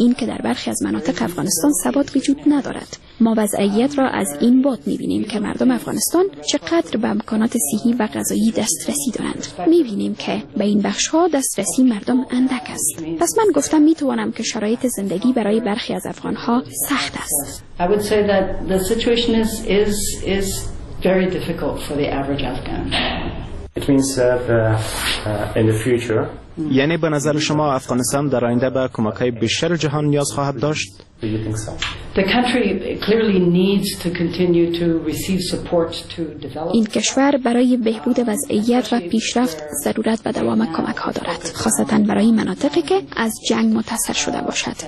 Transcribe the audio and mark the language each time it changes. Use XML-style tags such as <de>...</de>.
<fa>این که در برخی از مناطق افغانستان ثبات وجود ندارد. ما وضعیت را از این بعد می‌بینیم که مردم افغانستان چقدر به امکانات صحی و غذایی دسترسی دارند. می‌بینیم که به این بخش‌ها دسترسی مردم اندک است. پس من گفتم می‌توانم که شرایط زندگی برای برخی از افغان‌ها سخت است.</fa> <en>I would say that the situation is very difficult for the average Afghan. It means in the future.</en> <fa>یعنی به نظر شما افغانستان در آینده به کمک‌های بیشتر جهان نیاز خواهد داشت؟</fa> <en>The country clearly needs to continue to receive support to develop.</en> <fa>این کشور برای بهبود وضعیت و پیشرفت ضرورت به دوام کمک ها دارد، خاصتاً برای مناطقی که از جنگ متاثر شده باشد.</fa>